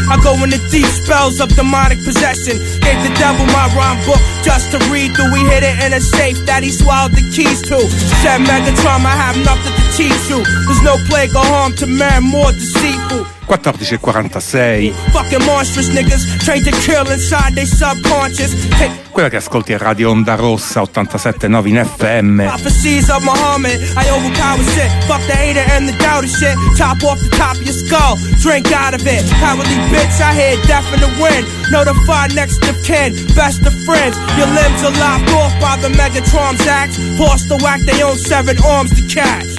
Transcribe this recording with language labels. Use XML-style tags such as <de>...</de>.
<en>I go into deep spells of demonic possession. Gave the devil my rhyme book just to read through. We hid it in a safe that he swallowed the keys to. Said Megatron, I have nothing to teach you. There's no plague or harm to man more deceitful. 14:46. Fucking monstrous niggas trained to kill inside their subconscious.</en> <it>Quella che ascolti è Radio Onda Rossa 87.9 in FM.</it> <en>Prophecies of Muhammad, I overpower shit. Fuck the hater and the doubter shit. Top off the top of your skull, drink out of it. Cowardly bitch, I hear death in the wind. Notify next of kin, best of friends. Your limbs are lopped off by the Megatron's axe. Horse to whack, they own seven arms to catch.</en>